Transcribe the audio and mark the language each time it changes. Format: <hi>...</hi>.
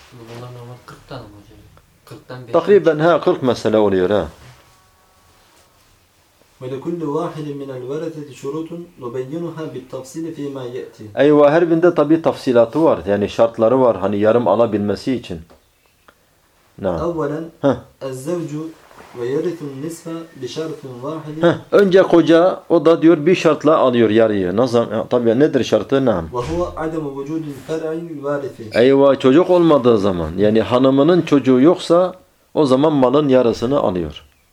<tr>Bunların ama 40 tane mi hocam? 40'tan 5. Takriben 40 mesele oluyor.</tr> <ar>وَلَكُلُّ وَاحِدٍ مِنَ الْوَرَثَةِ شُرُوتٌ نُبَيِّنُهَا بِالتَّفْصِيلِ فِي مَا يَأْتِي.</ar> <tr>Eyvah, her binde tabi tafsilatı var. Yani şartları var. Hani yarım alabilmesi için.</tr> <ar>أولاً الزَّوْجُ وَيَرِثُ النِّسْفَ بِشَرْطٍ وَاحِدٍ.</ar> <tr>Önce koca, o da diyor bir şartla alıyor yarıyı. Tabi nedir şartı?</tr> <ar>وَهُوَ عَدَمُ وَجُودِ الْفَرْعِ الْوَارِثِ.</ar> <tr>Eyvah, çocuk olmadığı zaman. Yani hanımının çocuğu yoksa o zaman malın yarısını alıyor.</tr>